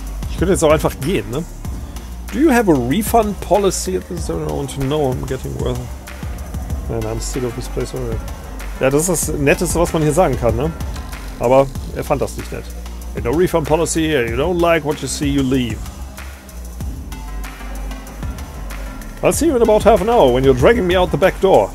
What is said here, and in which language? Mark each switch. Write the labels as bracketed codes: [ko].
[de] Ich könnte jetzt auch einfach gehen, ne? [en] Do you have a refund policy at this? I don't want to know. I'm getting worse. Man, I'm sick of this place already. [de] Ja, das ist das Netteste, was man hier sagen kann, ne? Aber er fand das nicht nett. [en] Hey, no refund policy here. You don't like what you see, you leave. I'll see you in about half an hour when you're dragging me out the back door.